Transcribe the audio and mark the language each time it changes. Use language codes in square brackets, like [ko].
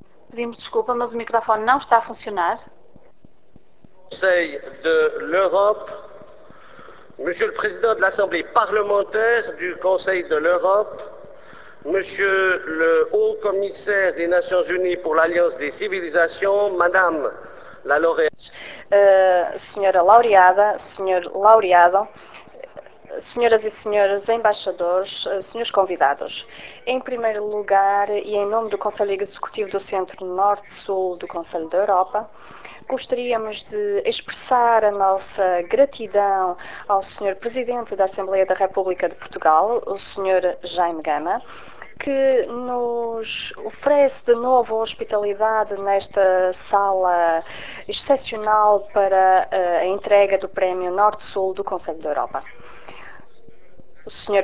[pt] Pedimos desculpa, mas o microfone não está a funcionar. [fr] Conseil de l'Europe, Monsieur le Président de l'Assemblée parlementaire du Conseil de l'Europe, Monsieur le Haut Commissaire des Nations Unies pour l'Alliance des Civilisations, Madame la Lauréate. [pt] Senhora Laureada, Senhor Laureado, Senhoras e Senhores Embaixadores, Senhores Convidados, em primeiro lugar e em nome do Conselho Executivo do Centro Norte-Sul do Conselho da Europa, gostaríamos de expressar a nossa gratidão ao Senhor Presidente da Assembleia da República de Portugal, o Senhor Jaime Gama, que nos oferece de novo hospitalidade nesta sala excepcional para a entrega do Prémio Norte-Sul do Conselho da Europa. O Sr.